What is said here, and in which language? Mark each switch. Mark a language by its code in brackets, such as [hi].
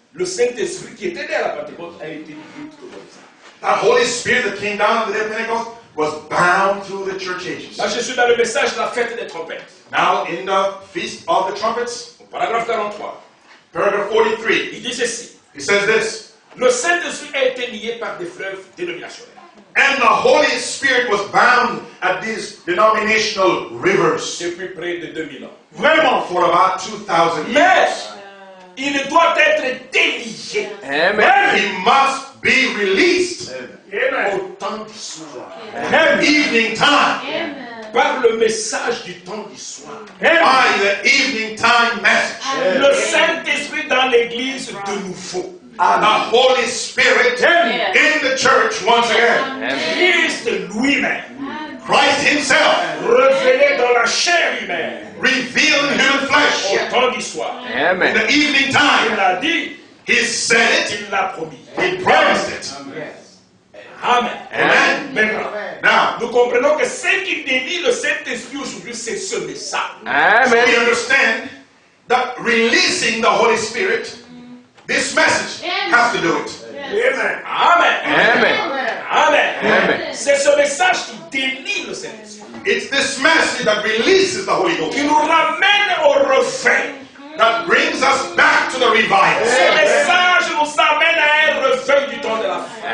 [fr] Le Saint-Esprit qui était derrière la Pentecôte a été [en] bound. The Holy Spirit that came down to the Pentecost was bound to the church ages. [fr] Là, je suis dans le message de la fête des trompettes. [en] Now in the Feast of the Trumpets, paragraph 43. Paragraph 43. [fr] Il dit ceci. [en] He says this. [fr] Le Saint-Esprit a été lié par des fleuves dénominationnels. [en] And the Holy Spirit was bound at these denominational rivers. [fr] Depuis près de 2000 ans. Vraiment. [en] For about 2000 years. [fr] Mais il doit être délié. Amen. [en] He must be released. Amen. [fr] Au temps du soir. Amen. [en] Evening time. Amen. [fr] Par le message du temps du soir. [en] Amen. By the evening time message. [fr] Amen. Le Saint-Esprit dans l'église de nouveau. [en] And the Holy Spirit in the church once again. [fr] Christ lui-même. [en] Christ himself. [fr] Révélé dans la chair humaine. [en] Revealed in human flesh. [fr] Au temps du soir. Amen. [en] In the evening time. [fr] Il l'a dit. [en] He said it. [fr] Il l'a promis. [en] He promised it. Amen. Amen. Amen. Amen. [fr] Now, nous comprenons que ce qui délie le Saint-Esprit aujourd'hui, c'est ce message. Amen. [en] So we understand that releasing the Holy Spirit, this message has to do it. Amen. Amen. Amen. Amen. Amen. [fr] C'est ce message qui délie le Saint-Esprit. [en] It's this message that releases the Holy Ghost. [fr] Qui nous ramène au refrain. [en] That brings us back to the revival. [fr] Ce message nous amène à un refrain du temps de la fin.